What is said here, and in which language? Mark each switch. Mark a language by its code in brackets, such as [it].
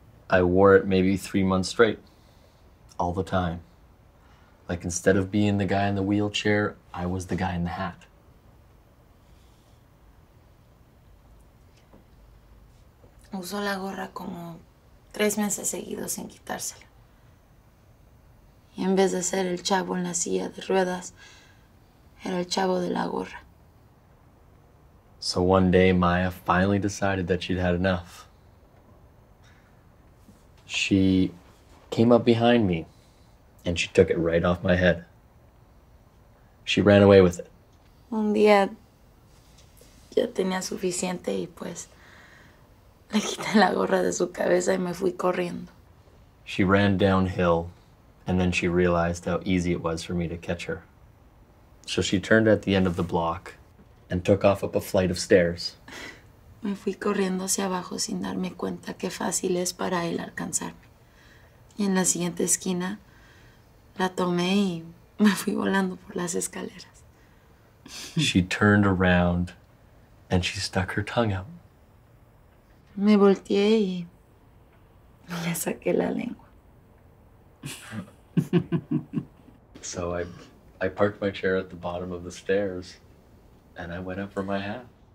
[en] I wore it maybe 3 months straight, all the time. Like instead of being the guy in the wheelchair, I was the guy in the hat. [es] Usó la gorra como 3 meses seguidos sin quitársela. Y en vez de ser el chavo en la silla de ruedas, era el chavo de la gorra. [en] So one day, Maya finally decided that she'd had enough. She came up behind me and she took it right off my head. She ran away with it. [es] Un día ya tenía suficiente y pues le quité la gorra de su cabeza y me fui corriendo. [en] She ran downhill, and then she realized how easy it was for me to catch her. So she turned at the end of the block and took off up a flight of stairs. [es] Me fui corriendo hacia abajo sin darme cuenta qué fácil es para él alcanzarme. Y en la siguiente esquina la tomé y me fui volando por las escaleras. [en] She turned around and she stuck her tongue out. [es] Me volteé y le saqué la lengua. [en] So I parked my chair at the bottom of the stairs and I went up for my hat.